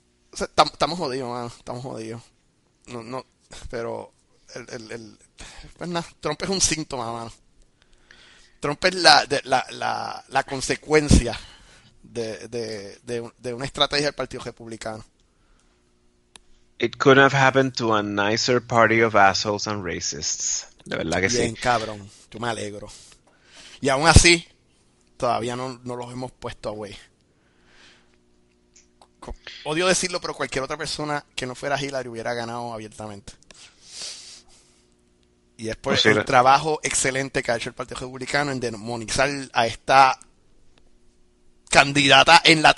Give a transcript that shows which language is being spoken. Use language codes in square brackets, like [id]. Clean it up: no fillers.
[es] O sea, estamos jodidos, mano. Estamos jodidos. No, pero el pues nada, Trump es un síntoma, mano. Trump es la consecuencia. De una estrategia del Partido Republicano. [en] It couldn't have happened to a nicer party of assholes and racists. [es] De verdad que bien, sí. Bien, cabrón. Yo me alegro. Y aún así, todavía no los hemos puesto away. Odio decirlo, pero cualquier otra persona que no fuera Hillary hubiera ganado abiertamente. Y es por el trabajo excelente que ha hecho el Partido Republicano en demonizar a esta candidata en la...